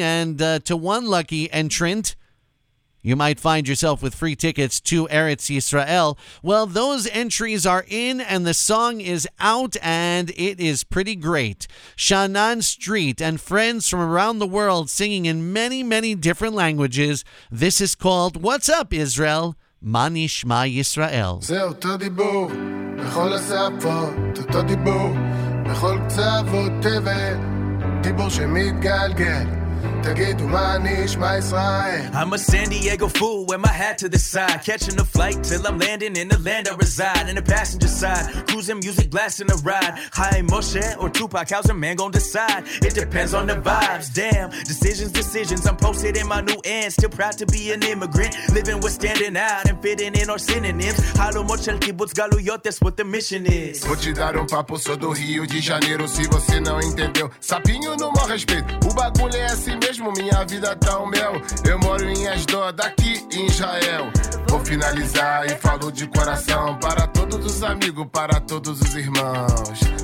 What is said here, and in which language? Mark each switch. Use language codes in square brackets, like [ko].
[en] And to one lucky entrant, you might find yourself with free tickets to Eretz Yisrael. Well, those entries are in and the song is out and it is pretty great. Sha'anan Street and friends from around the world singing in many, many different languages. This is called What's Up Israel? [he] Ma Nishma Yisrael. זהו, תודי בו, בכל השפות, תודי בו, בכל קצוות תבל, דיבור שמתגלגל. [en] I'm a San Diego fool, wear my hat to the side. Catching a flight till I'm landing in the land I reside. In the passenger side, cruising music blasting the ride. High Moshe or Tupac, how's a man gonna decide? It depends on the vibes, damn. Decisions. I'm posted in my new end. Still proud to be an immigrant. Living with standing out and fitting in our synonyms. [he] Halo Mochel Kibbutz Galuyot, [en] that's what the mission is. [pt] Vou te dar papo, sou do Rio de Janeiro. Se você não entendeu, sapinho no mau respeito. O bagulho é assim mesmo. Minha vida tá um mel. Eu moro em Ashdod, daqui em Israel. Vou finalizar e falo de coração. Para todos os amigos, para todos os irmãos.